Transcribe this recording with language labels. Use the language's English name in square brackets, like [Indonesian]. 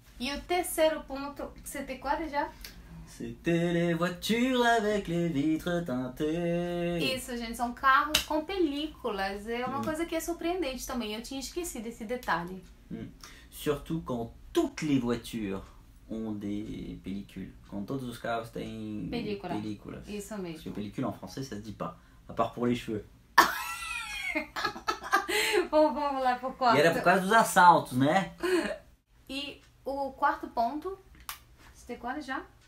[Portuguese] E o terceiro ponto, você tem quase já? [French] C'était les voitures avec les vitres teintées. [Portuguese] Isso, gente, são carros com películas. É uma coisa que é surpreendente também. Eu tinha esquecido esse detalhe. [French] Surtout quand toutes les voitures ont des películas. [Portuguese] Quando todos os carros têm película. Películas. Isso mesmo. Porque [French] película en français, ça se dit pas. À part pour les cheveux. [Portuguese] Vamos lá pro quarto. E era por causa dos assaltos, né? E o quarto ponto, você tem quase já?